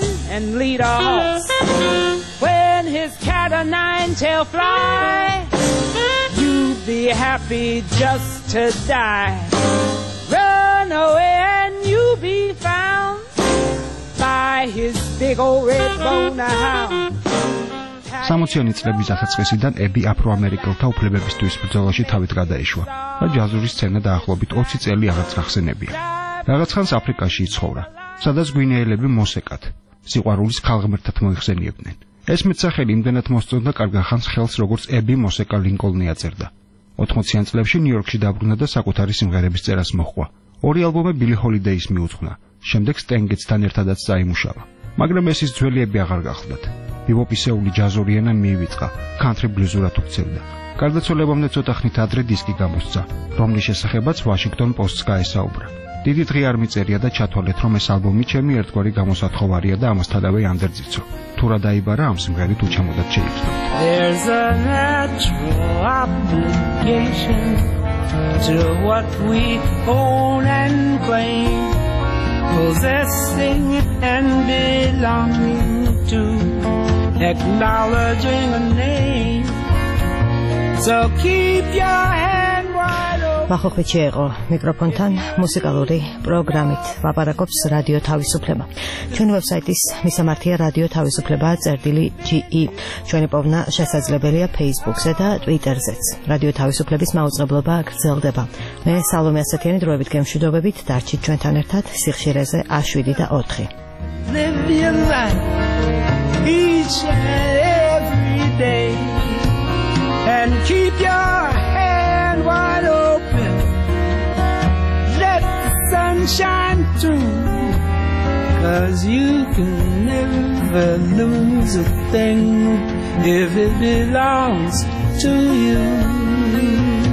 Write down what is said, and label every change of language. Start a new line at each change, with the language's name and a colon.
English: And lead a horse when his cat o' nine tail fly. You'd be happy just to die. Run away and you'll be found by his big old red boner hound.
Georgian: 60-იანი წლების დასაწყისიდან ები აფროამერიკელთა უფლებებისთვის ბრძოლაში თავით გადაიშვა და ჯაზური სცენა დაახლოებით 20 წელი აღწახსენებია. რაღაცხანს აფრიკაში იცხოვრა, სადაც გვინეელები მოსეკათ, სიყვარულის ქალღმერთად მოიხსენიებდნენ. ეს მეტსახელი იმდენად მოსწონდა კარგახანს ხელს, როგორც ები მოსეკა ლინკოლნი აწერდა. 80-იან წლებში ნიუ-იორკში დაბრუნდა და საკუთარი სიმღერების წერას მოჰყვა. ორი ალბომი ბილი ჰოლიდეის მიუძღვნა, შემდეგ სტენგეტსთან ერთადაც დაიმუშავა. მაგრამ ეს ის ძველიები აღარ გახლდათ. ბიბოპისეული ჯაზური ენა მიივიწყა, ქანთრი ბლუზურად უქცევდა. გარდაცვალებამდე ცოტა ხნით ადრე დისკი გამოსცა, რომლის შესახებაც ვაშინგტონ პოსტს გაესაუბრა. დიდი დღე არ მიწერია და ჩათვალეთ, რომ ეს ალბომი ჩემი ერთგვარი გამოსათხოვარია და ამასთანავე ანდერძიცო. თუ რა დაიბარა ამ სიმღერით უჩამოდათ შეიძლება.
English: There's a natural obligation to what we own and claim, possessing and belonging to, acknowledging a name. So keep your hand wide open.
Georgian: მახოხვი ჩეიყო მიკროფონთან მუსიკალური პროგრამით ვაპარაკობს რადიო თავისუფლება. ჩვენი ვებსაიტის მისამართია radiotavisupleba.ge. ჩვენი პოვნა შესაძლებელია Facebook-ზე და Twitter-ზეც. რადიო თავისუფლების მაუწყებლობა გრძელდება. მე სალომე ასათიანი დროებით გემშვიდობებით დარჩით ჩვენთან ერთად სიხშირეზე 107 და 4.
English: Live your life each and every day and keep your hand wide open. Let the sun shine through, 'cause you can never lose a thing if it belongs to you.